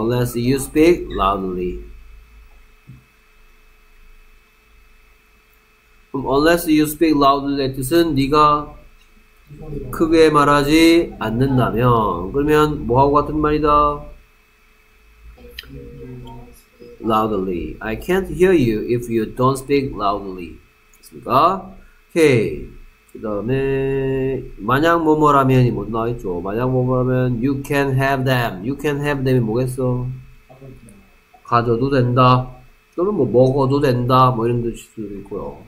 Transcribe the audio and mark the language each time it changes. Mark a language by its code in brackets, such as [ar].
[en] Unless you speak loudly. Unless you speak loudly [ko] 의 뜻은 네가 크게 말하지 않는다면. 그러면 뭐하고 같은 말이다? [en] Loudly. I can't hear you if you don't speak loudly. [ko] 됐습니까? [en] Okay. [ko] 그 다음에 만약 뭐뭐라면이 못 나와있죠. 만약 뭐뭐라면 [en] you can have them. You can have them이 [ko] 뭐겠어? 가져도 된다. 또는 뭐 먹어도 된다 뭐 이런 뜻일 수도 있고요.